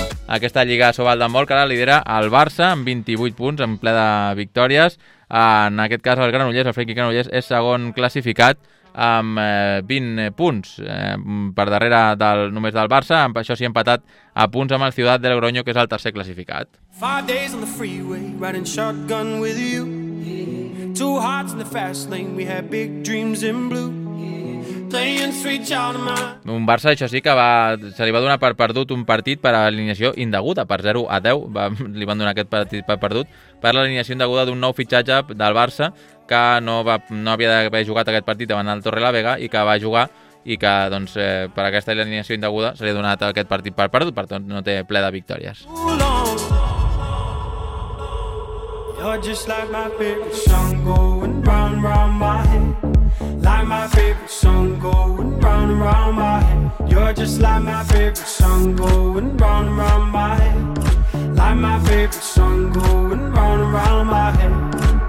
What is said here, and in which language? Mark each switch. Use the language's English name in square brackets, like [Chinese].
[Catalan] Aquesta Lliga Sobal d'handbol, que ara lidera el Barça amb 28 punts, en ple de victòries. En aquest cas, el Granollers, el Frenkie Granollers, és segon classificat amb 20 punts, per darrere només del Barça, amb això sí, empatat a punts amb el Ciudad de Logroño, que és el tercer classificat. [English] 5 days on the freeway, riding shotgun with you. Two hearts in the fast lane, we had big dreams in blue. [Catalan] Un Barça, això sí, que se li va donar per perdut un partit per alineació indeguda, per 0-10, li van donar aquest partit per perdut per l'alineació indeguda d'un nou fitxatge del Barça, que no havia d'haver jugat aquest partit davant el Torre la Vega, i que va jugar, i que doncs, per aquesta alineació indeguda se li ha donat aquest partit per perdut, per tant no té ple de victòries. [English] You're just like my favorite song going round and round my head. Like my favorite song going round and round my head. You're just like my favorite song going round and round my head. Like my favorite song going round and round my head.